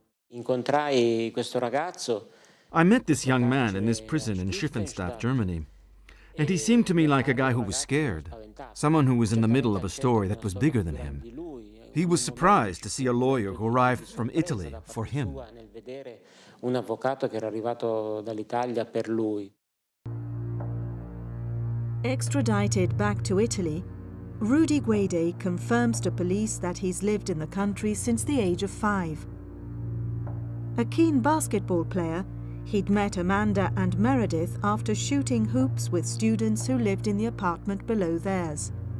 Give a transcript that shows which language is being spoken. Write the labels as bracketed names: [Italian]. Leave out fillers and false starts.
[Italian] Incontrai questo ragazzo. [English] I met this young man in this prison in Schiffenstadt, Germany. And he seemed to me like a guy who was scared, someone who was in the middle of a story that was bigger than him. He was surprised to see a lawyer who arrived from Italy for him. [Italian] Un avvocato che era arrivato dall'Italia per lui. [English] Extradited back to Italy, Rudy Guede confirms to police that he's lived in the country since the age of 5. A keen basketball player, he'd met Amanda and Meredith after shooting hoops with students who lived in the apartment below theirs.